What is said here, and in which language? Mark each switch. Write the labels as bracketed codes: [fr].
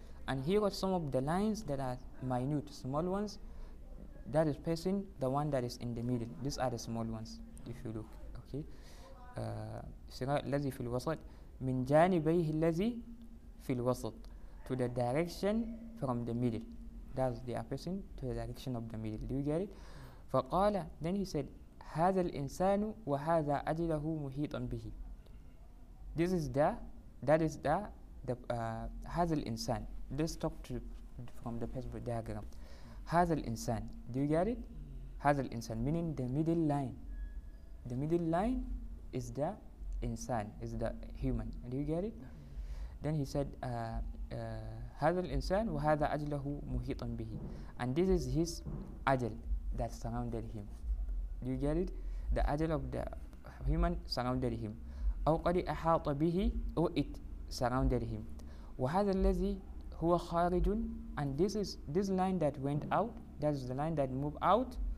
[en] And here are some of the lines that are minute, small ones. That is passing the one that is in the middle. These are the small ones, if you look. Okay. [ar] صغار الذي في الوسط من جانبيه الذي في الوسط [en] to the direction from the middle. That's the opposite to the direction of the middle. Do you get it? [ar] فقال, [en] then he said, [ar] هذا الإنسان وهذا أجله محيطا به. [en] This is the, that is the, [ar] هذا الإنسان. [en] Let's talk to from the perspective diagram. [ar] هذا الإنسان. [en] Do you get it? [ar] هذا الإنسان, [en] meaning the middle line. The middle line is the insan, is the human. Do you get it? Then he said, [ar] هذا الإنسان وهذا أجله محيطا به. [en] And this is his أجل that surrounded him. Do you get it? The أجل of the human surrounded him. [ar] أو قد أحاط به, [en] or it surrounded him. [ar] وهذا الذي هو خارج. [en] And this is this line that went out, that is the line that moved out.